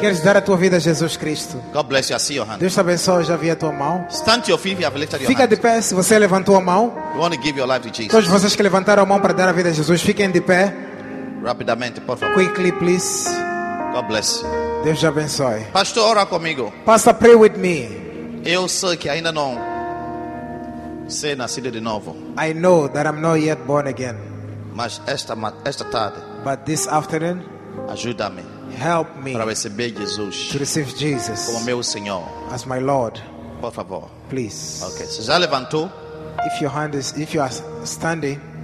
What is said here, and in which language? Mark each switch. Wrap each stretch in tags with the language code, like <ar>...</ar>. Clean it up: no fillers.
<pt>Queres dar a tua vida a Jesus Cristo?</pt> <en>God bless you. I see your hand.</en> <pt>Deus te abençoe, já vi a tua mão.</pt> <en>Stand to your feet if you have lifted your</en> <pt>Fica</pt> <en>hand.</en> <pt>De pé, se você levantou a mão.</pt> <en>You want to give your life to Jesus.</en> <pt>Todos vocês que levantaram a mão para dar a vida a Jesus, fiquem de pé. Rapidamente, por favor.</pt> <en>Quickly, please. God bless you.</en> <pt>Deus te abençoe. Pastor, ora comigo.</pt> <en>Pastor, pray with me.</en> <pt>Eu sei que ainda não sei nascido de novo.</pt> <en>I know that I'm not yet born again.</en> <pt>Mas esta tarde.</pt> <en>But this afternoon,</en> <pt>ajuda-me.</pt> <en>Help me.</en> <pt>Para receber Jesus.</pt> <en>To receive Jesus.</en> <pt>Como meu Senhor.</pt> <en>As my Lord.</en> <pt>Por favor.</pt> <en>Please.</en> <pt>Okay. Se já levantou.</pt> <en>If your hand is, if you are standing.</en>